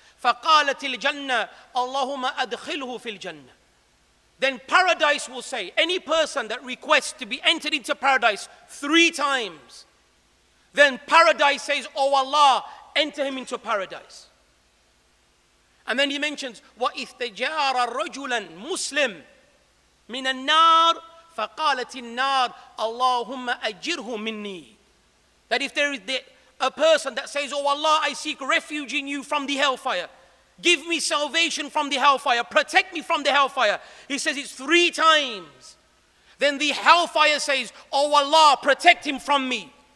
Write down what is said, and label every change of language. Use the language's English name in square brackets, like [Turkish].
[Arabic] فَقَالَتِ الْجَنَّةِ اللَّهُمَّ أَدْخِلْهُ فِي الْجَنَّةِ, [English] then paradise will say, any person that requests to be entered into paradise three times, then paradise says, oh Allah, enter him into paradise. And then he mentions, [Arabic] وَإِثْتَجَارَ رَجُلًا مُسْلِمْ مِنَ النَّارِ فَقَالَتِ النَّارِ اللَّهُمَّ أَجِرْهُ مِنِّي. [English] That if there is a person that says, oh Allah, I seek refuge in you from the hellfire. Give me salvation from the hellfire. Protect me from the hellfire. He says it's three times. Then the hellfire says, oh Allah, protect him from me.